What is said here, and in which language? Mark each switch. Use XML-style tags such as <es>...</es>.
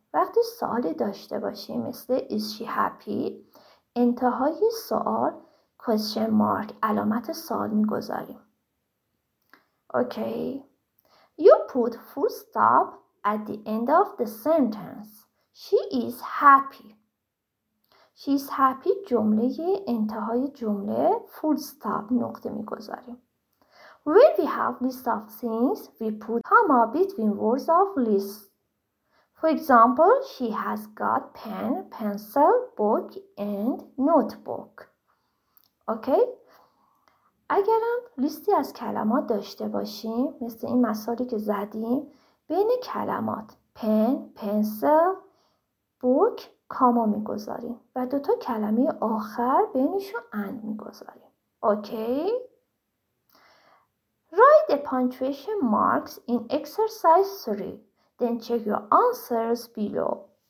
<fa>وقتی سوالی داشته باشیم مثل</fa> <en>is she happy؟</en> <fa>انتهای سوال question mark، علامت سوال میگذاریم.</fa> <en>Okay. You put full stop at the end of the sentence. She is happy. She is happy</en> <fa>جمله انتهای جمله full stop نقطه میگذاریم.</fa> <en>When we have list of things, we put comma between words of list. For example, she has got pen, pencil, book, and notebook. Okay?</en> <fa>اگرم لیستی از کلمات داشته باشیم، مثل این مثالی که زدیم، بین کلمات pen, pencil, book, comma میگذاریم و دوتا کلمه آخر بینشو and میگذاریم.</fa> <en>Okay? Write the punctuation marks in exercise 3, then check your answers below.</en>